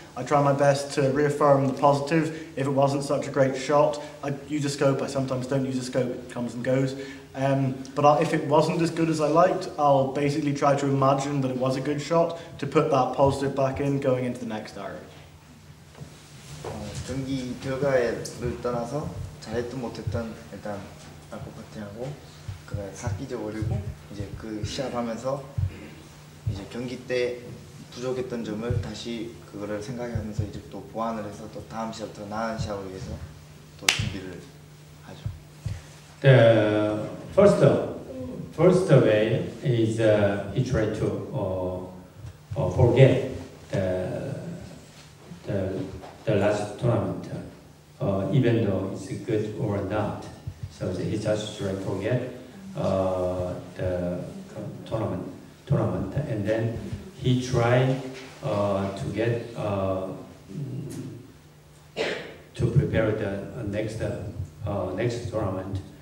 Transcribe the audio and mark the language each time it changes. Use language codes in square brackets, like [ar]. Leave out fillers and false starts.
[en] I try my best to reaffirm the positive. If it wasn't such a great shot, I use a scope. I sometimes don't use a scope. It comes and goes. If it wasn't as good as I liked, I'll basically try to imagine that it was a good shot to put that positive back in going into the next arrow. [ko] 경기 결과를 떠나서 잘했든 못했든 일단 알고 파티하고 그날 삭기져 버리고 이제 그 시합하면서 이제 경기 때 부족했던 점을 다시 그거를 생각하면서 이제 또 보완을 해서 또 다음 시합 더 나은 시합을 위해서 또 준비를 하죠. [en] The first way is he tried to forget the last tournament, even though it's good or not. So he just tried to forget. The tournament, and then he tried to get to prepare the next tournament.